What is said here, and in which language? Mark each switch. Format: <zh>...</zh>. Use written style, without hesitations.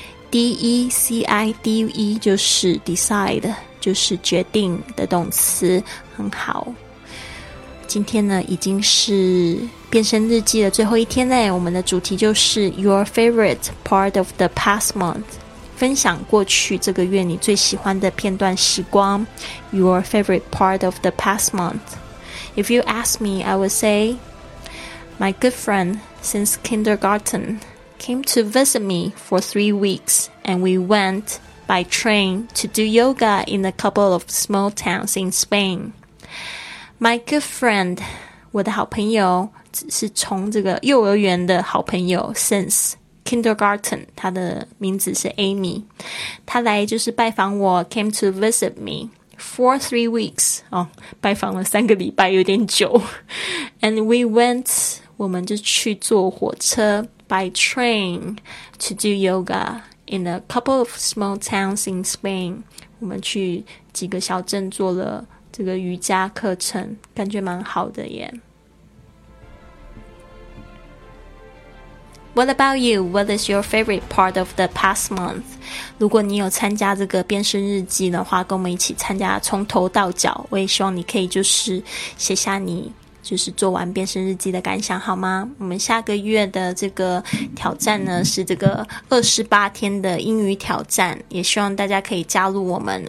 <zh>D-E-C-I-D-U-E 就是 decide, 就是决定的动词，很好。今天呢已经是变身日记的最后一天嘞，我们的主题就是</zh> <en>Your favorite part of the past month,</en> <zh>分享过去这个月你最喜欢的片段时光。</zh> <en>Your favorite part of the past month. If you ask me, I would say my good friend since kindergarten came to visit me for 3 weeks, and we went by train to do yoga in a couple of small towns in Spain. My good friend,</en> <zh>我的好朋友，是从这个幼儿园的好朋友</zh> <en>sinceKindergarten,</en> <zh>他的名字是 Amy, 他来就是拜访我</zh> <en>came to visit me for 3 weeks,、</en> <zh>拜访了三个礼拜有点久</zh> <en>and we went,</en> <zh>我们就去坐火车</zh> <en>by train to do yoga in a couple of small towns in Spain,</en> <zh>我们去几个小镇做了这个瑜伽课程，感觉蛮好的耶。</zh> <en>What about you? What is your favorite part of the past month?</en> <zh>如果你有参加这个变身日记的话，跟我们一起参加从头到脚，我也希望你可以就是写下你就是做完变身日记的感想好吗？我们下个月的这个挑战呢是这个28天的英语挑战，也希望大家可以加入我们。</zh>